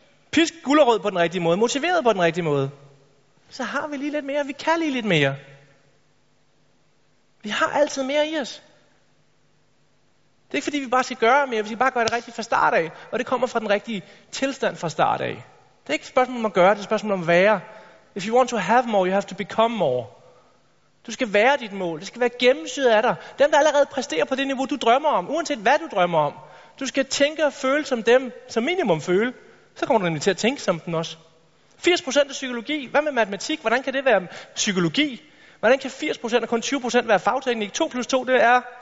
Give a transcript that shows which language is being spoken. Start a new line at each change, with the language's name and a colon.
Danish: Pisk gulerod på den rigtige måde. Motiveret på den rigtige måde. Så har vi lige lidt mere. Vi kan lige lidt mere. Vi har altid mere i os. Det er ikke fordi, vi bare skal gøre mere. Vi skal bare gøre det rigtigt fra start af. Og det kommer fra den rigtige tilstand fra start af. Det er ikke et spørgsmål om at gøre. Det er et spørgsmål om at være.
English: If you want to have more, you have to become more.
Danish: Du skal være dit mål. Det skal være gennemsyret af dig. Dem, der allerede præsterer på det niveau, du drømmer om. Uanset hvad du drømmer om. Du skal tænke og føle som dem, som minimum føle. Så kommer du nemlig til at tænke som den også. 80% er psykologi. Hvad med matematik? Hvordan kan det være psykologi? Hvordan kan 80% og kun 20% være fagteknik? 2 plus 2, det er...